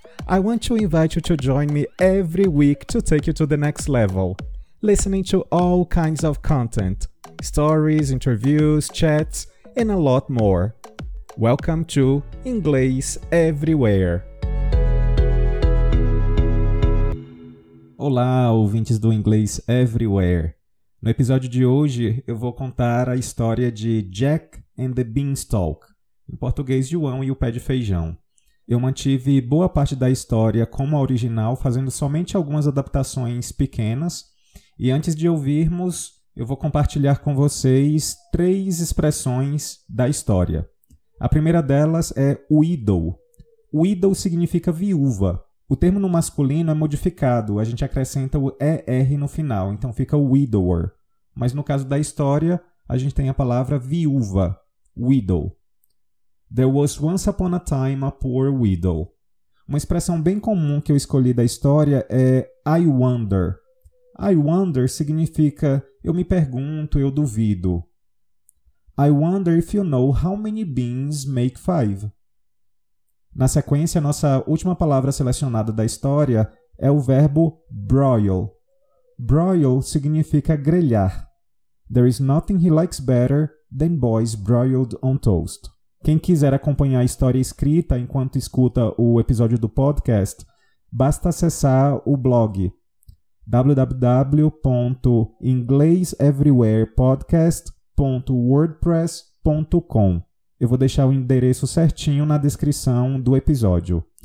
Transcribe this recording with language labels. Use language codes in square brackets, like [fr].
[en] I want to invite you to join me every week to take you to the next level, listening to all kinds of content, stories, interviews, chats, and a lot more. Welcome to English Everywhere. [pt] Olá, ouvintes do Inglês Everywhere. No episódio de hoje, eu vou contar a história de Jack and the Beanstalk, em português, João e o Pé de Feijão. Eu mantive boa parte da história como a original, fazendo somente algumas adaptações pequenas. E antes de ouvirmos, eu vou compartilhar com vocês três expressões da história. A primeira delas é widow. Widow significa viúva. O termo no masculino é modificado, a gente acrescenta o ER no final, então fica widower. Mas no caso da história, a gente tem a palavra viúva, widow. [en] There was once upon a time a poor widow. [pt] Uma expressão bem comum que eu escolhi da história é I wonder. I wonder significa eu me pergunto, eu duvido. [en] I wonder if you know how many beans make five. [pt] Na sequência, a nossa última palavra selecionada da história é o verbo broil. Broil significa grelhar. [en] There is nothing he likes better than boys broiled on toast. [pt] Quem quiser acompanhar a história escrita enquanto escuta o episódio do podcast, basta acessar o blog www.ingleseverywherepodcast.wordpress.com. Eu vou deixar o endereço certinho na descrição do episódio.